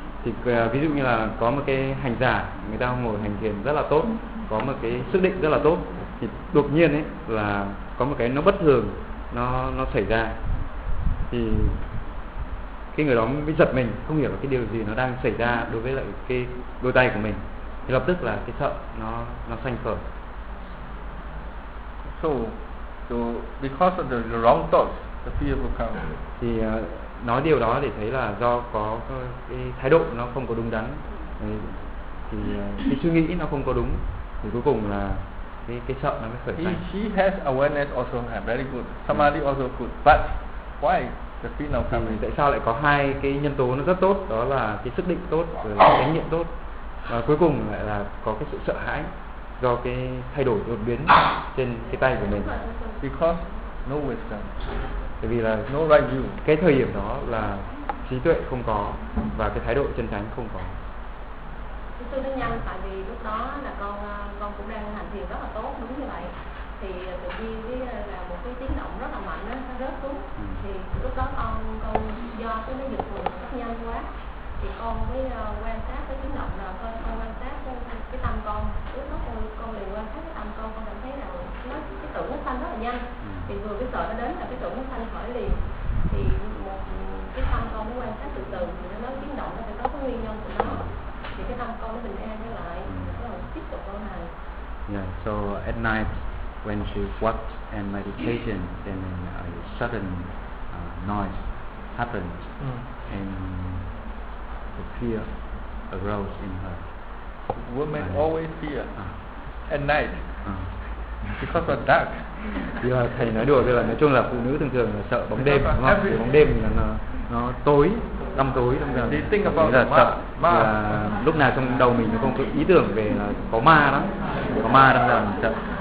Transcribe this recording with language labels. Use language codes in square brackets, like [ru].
[vi] Thì ví dụ như là có một cái hành giả, người ta ngồi hành thiền rất là tốt, có một cái sức định rất là tốt, thì đột nhiên ấy là có một cái nó bất thường, nó xảy ra. Thì cái người đó mới giật mình, không hiểu là cái điều gì nó đang xảy ra đối với lại cái đôi tay của mình. Thì lập tức là cái sợ nó sanh khởi. [en] So because of the wrong thoughts, the fear will come. [vi] Thì nói điều đó để thấy là do có cái thái độ nó không có đúng đắn. Thì cái suy nghĩ nó không có đúng, thì cuối cùng là cái sợ nó mới khởi sanh. [en] He has awareness also very good, samadhi also good, but why the fear now coming? [vi] Tại sao lại có hai cái nhân tố nó rất tốt, đó là cái sức định tốt rồi là chánh niệm tốt, và cuối cùng lại là có cái sự sợ hãi do cái thay đổi đột biến trên cái tay của mình. [en] Because no wisdom. [vi] Tại vì là [en] no right view. [vi] Cái thời điểm đó là trí tuệ không có và cái thái độ chân chánh không có. Tôi nói nhanh, tại vì lúc đó là con cũng đang hành thiền rất là tốt, đúng như vậy. Thì tự nhiên là một cái tiếng động rất là mạnh đó, nó rớt xuống. Thì lúc đó con do cái nó giật mình rất nhanh quá, thì con mới quan sát cái tiếng động, là con quan sát cái tâm con. Lúc đó con liền quan sát cái tâm con cảm thấy là cái tưởng nó sanh rất là nhanh. Thì vừa cái sợ nó đến là cái tưởng nó sanh khỏi liền. Thì một cái tâm con mới quan sát từ từ, thì nó tiếng động nó phải có cái nguyên nhân của nó, thì cái tâm con nó bình an trở lại, nó tiếp tục con này. [en] Yeah, so at night when she walked and meditation, then a sudden noise happened, and the fear arose in her. Women always fear at night because of dark. [vi] Yeah, thầy nói đùa, đây là nói chung là phụ nữ thường thường là sợ bóng đêm, đúng không? Vì bóng đêm nó tối, đêm tối, đêm giờ là sợ ma. Là lúc nào trong đầu mình cũng có ý tưởng về là có ma đó, có ma đang làm sợ.